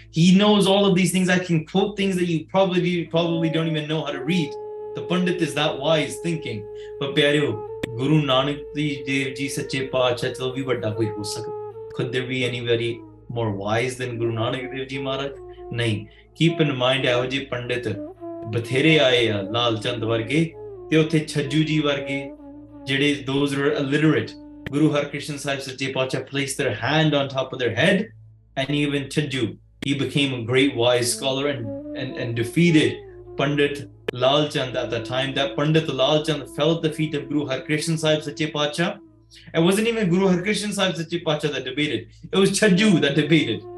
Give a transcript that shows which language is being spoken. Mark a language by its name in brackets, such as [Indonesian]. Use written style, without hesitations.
[English] He knows all of these things. I can quote things that you probably don't even know how to read. The Pandit is that wise thinking. But pyaryo, Guru Nanak Dev Ji sache paatshah [Punjabi] chal vi vadda koi ho sakda. [English] Could there be anybody more wise than Guru Nanak Dev Ji Maharaj? [Punjabi] Nahin. [English] Keep in mind, [Punjabi] ਇਹੋ ਜਿਹੇ ਪੰਡਿਤ ਬਥੇਰੇ ਆਏ ਆ, ਲਾਲ ਚੰਦ ਵਰਗੇ ਤੇ ਉੱਥੇ ਛੱਜੂ ਜੀ ਵਰਗੇ ਜਿਹੜੇ [English] those were illiterate. Guru Harkrishan Sahib Sache Paatshah placed their hand on top of their head, and even Chhajju, he became a great wise scholar and defeated Pandit Lal Chand at the time. That Pandit Lal Chand fell at the feet of Guru Harkrishan Sahib Sache Paatshah. It wasn't even Guru Harkrishan Sahib Sache Paatshah that debated, it was Chhajju that debated.